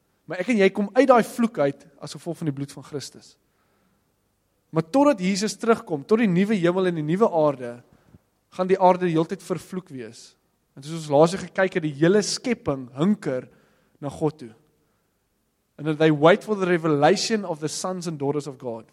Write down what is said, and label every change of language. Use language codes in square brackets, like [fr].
[af] Maar ek en jy kom uit daai vloek uit as gevolg van die bloed van Christus. Maar totdat Jesus terugkom, tot die nuwe hemel en die nuwe aarde, gaan die aarde die hele tyd vervloek wees. En soos ons laasig gekyk het, die hele skepping hunker na God toe. [en] And that they wait for the revelation of the sons and daughters of God.